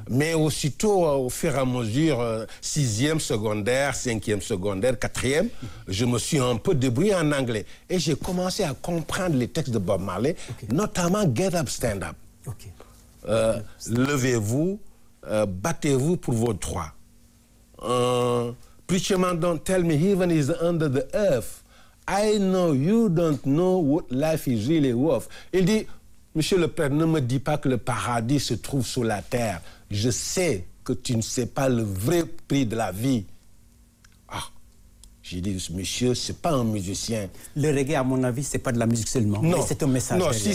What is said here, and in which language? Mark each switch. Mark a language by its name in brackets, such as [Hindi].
[French] Mais aussitôt, au fur et à mesure, sixième secondaire, cinquième secondaire, quatrième, mm-hmm. je me suis un peu débrouillé en anglais. Et j'ai commencé à comprendre les textes de Bob Marley, okay. notamment « [English] Get up, stand up okay. ».« [French] Levez-vous, battez-vous pour vos droits. [English] »« Preacher, don't tell me heaven is under the earth. » I know you don't know what life is really worth. [French] Il dit, Monsieur le Père, ne me dis pas que le paradis se trouve sous la terre. Je sais que tu ne sais pas le vrai prix de la vie. Ah, j'ai dit, Monsieur, c'est pas un musicien. Le reggae, à mon avis, c'est pas de la musique seulement. Non, mais c'est un message. Non, derrière.